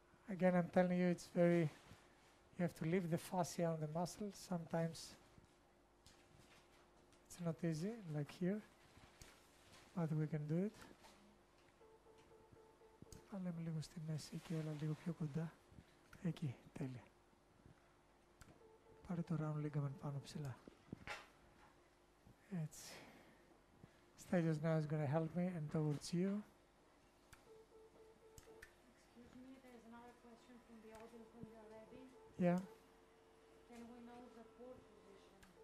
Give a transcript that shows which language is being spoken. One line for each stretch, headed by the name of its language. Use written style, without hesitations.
English: Again, I'm telling you, it's very, you have to lift the fascia on the muscle. Sometimes it's not easy, like here, but we can do it.
Greek: Αλλά με λίγο στη μέση και έλα λίγο πιο κοντά. Εκεί, τέλεια. Πάρε το round ligament πάνω ψηλά. Έτσι.
English: Stelios now is going to help me and towards you. Excuse me, there's another question from the audience when you are ready. Yeah. Can we know the port position?